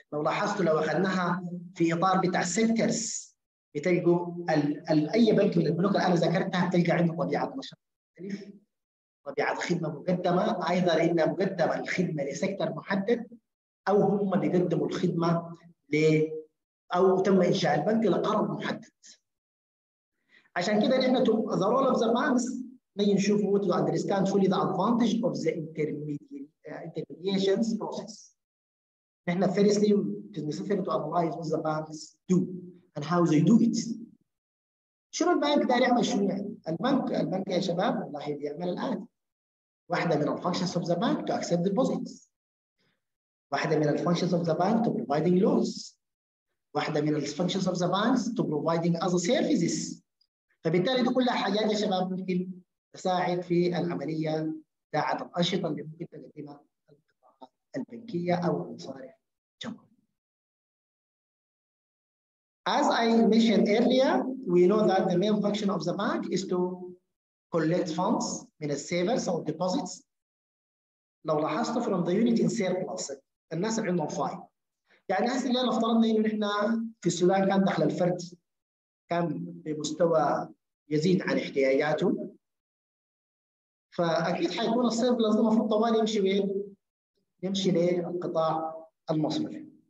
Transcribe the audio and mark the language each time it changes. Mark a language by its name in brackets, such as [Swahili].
[Arabic] لو لاحظتوا لو أخذناها في إطار بتاع سيكترز بتلقوا أي بنك من البنوك اللي أنا ذكرتها بتلقى عنده طبيعة نشاط مختلف، طبيعة خدمة مقدمة، أيضاً إنها مقدمة الخدمة لسيكتر محدد أو هم بيقدموا الخدمة أو تم إنشاء البنك لقرض محدد. عشان كده نحن [English] the role of the banks [Arabic] نجي نشوف [English] what to understand fully the advantage of the intermediation process. [Arabic] نحن [English] firstly [Arabic] نستفيد [English] to analyze what the banks do and how they do it. [Arabic] شنو البنك داري يعمل؟ شنو يعني البنك يا شباب والله بيعمل الآن واحدة من [English] the functions of the bank to accept deposits، [Arabic] واحدة من [English] the functions of the bank to providing loans، واحدة من the functions of the banks to providing other services. [Arabic] فبالتالي دي كلها حاجات يا شباب ممكن تساعد في العملية بتاعة الأنشطة اللي ممكن تقدمها القطاعات البنكية أو المصارف الجمهورية. [English] As I mentioned earlier, we know that the main function of the bank is to collect funds [Arabic] من الـ [English] savers [Arabic] أو [English] deposits. [Arabic] لو لاحظتوا [English] from the unit in surplus [Arabic] الناس اللي عندهم فايل، يعني هسه اللي افترضنا إنه نحن في السودان كان دخل الفرد كان بمستوى يزيد عن احتياجاته، فأكيد حيكون الصرف لازم المفروض طوال يمشي وين؟ يمشي للقطاع المصرفي.